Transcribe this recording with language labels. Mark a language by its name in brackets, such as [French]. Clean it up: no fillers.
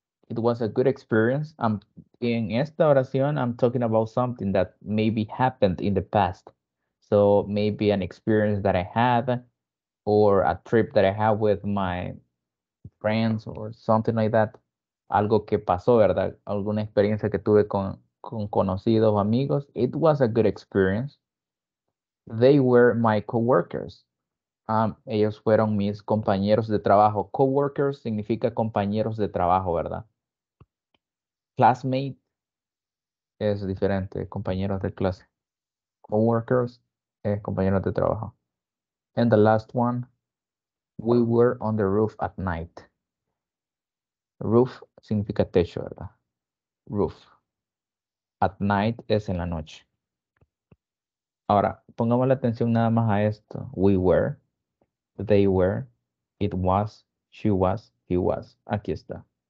[English] It was a good experience. In [Spanish] esta oración, [English] I'm talking about something that maybe happened in the past. So maybe an experience that I had or a trip that I have with my friends or something like that. [Spanish] Algo que pasó, ¿verdad? Alguna experiencia que tuve con conocidos o amigos. [English] It was a good experience. They were my coworkers. [Spanish] Ellos fueron mis compañeros de trabajo. [English] Coworkers [Spanish] significa compañeros de trabajo, ¿verdad? Classmate es diferente, compañeros de clase. Coworkers es compañeros de trabajo. [English] And the last one, we were on the roof at night. [Spanish] Roof significa techo, ¿verdad? Roof. At night es en la noche. Ahora, pongamos la atención nada más a esto. [English] We were, they were, it was, she was, he was. [Spanish] Aquí está.